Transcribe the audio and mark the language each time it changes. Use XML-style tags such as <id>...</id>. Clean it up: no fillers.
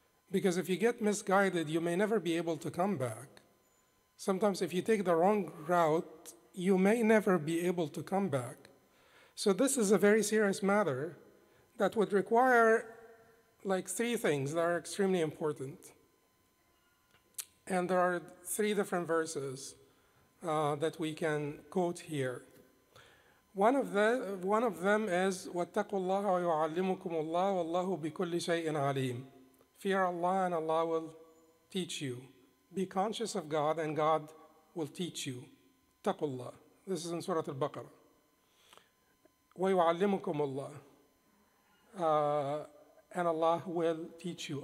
<en>Because if you get misguided, you may never be able to come back. Sometimes if you take the wrong route, you may never be able to come back. So this is a very serious matter that would require like three things that are extremely important. And there are three different verses that we can quote here. One of them is</en> <ar>وَاتَّقُوا اللَّهَ وَيُعَلِّمُكُمُ اللَّهُ وَاللَّهُ بِكُلِّ شَيْءٍ عَلِيمٌ.</ar> <en>Fear Allah and Allah will teach you. Be conscious of God and God will teach you.</en> <ar>اتَّقُوا اللَّهُ.</ar> <en>This is in Surah Al-Baqarah.</en> <ar>وَيُعَلِّمُكُمُ اللَّهُ.</ar> <en>And Allah will teach you.</en>